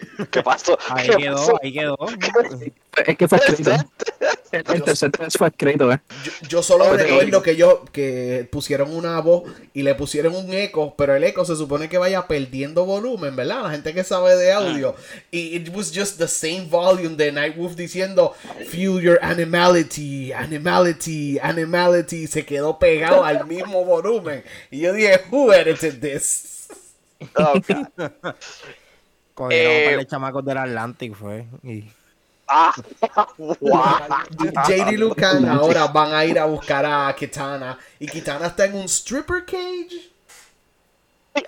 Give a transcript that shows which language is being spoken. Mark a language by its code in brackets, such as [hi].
[es] ¿Qué pasó? Ahí quedó. Es que fue el El tercer test fue escrito, ¿eh? Yo solo recuerdo que ellos que pusieron una voz y le pusieron un eco, pero el eco se supone que vaya perdiendo volumen, ¿verdad? La gente que sabe de audio. Y [en] it was just the same volume [es] de Nightwolf diciendo, [en] feel your animality, animality, animality. [es] Se quedó pegado al mismo volumen. Y yo dije, [en] who edited this? [es] Con el nombre de chamacos del Atlantic fue. Y... JD Lucan ahora van a ir a buscar a Kitana. Y Kitana está en un stripper cage.